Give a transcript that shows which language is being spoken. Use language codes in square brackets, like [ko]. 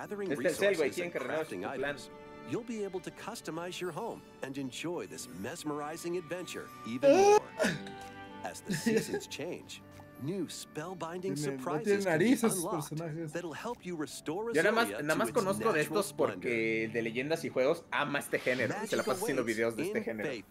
[es] Este es el güey, tienen que renovar su plan. [en] You'll be able to customize your home and enjoy this mesmerizing adventure even more. As the seasons change, new spellbinding surprises can be unlocked that'll help you restore Azuria. [es] Yo nada más conozco de estos porque de Leyendas y Juegos ama este género, se la pasa haciendo videos de este género.